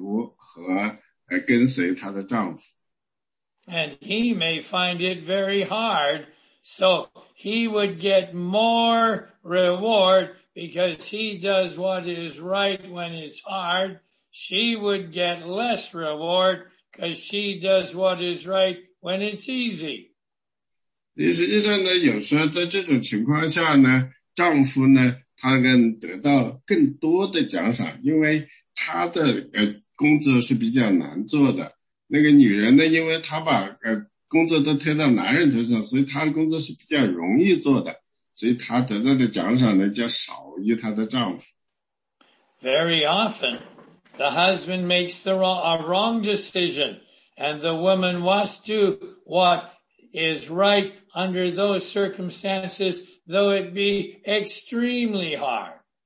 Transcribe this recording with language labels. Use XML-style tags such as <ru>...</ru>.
<zh>有时候呢，那些妻子呢，发现呢，非常容易的去顺服和跟随她的丈夫。</zh> <en>And he may find it very hard, so he would get more reward because he does what is right when it's hard. She would get less reward because she does what is right when it's easy.</en> <zh>实际上呢，有时候在这种情况下呢，丈夫呢，他能得到更多的奖赏，因为他的工作是比较难做的。那个女人呢，因为她把工作都推到男人头上，所以她的工作是比较容易做的，所以她得到的奖赏呢，就少于她的丈夫。Very</zh> <en>often, the husband makes the wrong decision, and the woman must do what is right under those circumstances, though it be extremely hard.</en>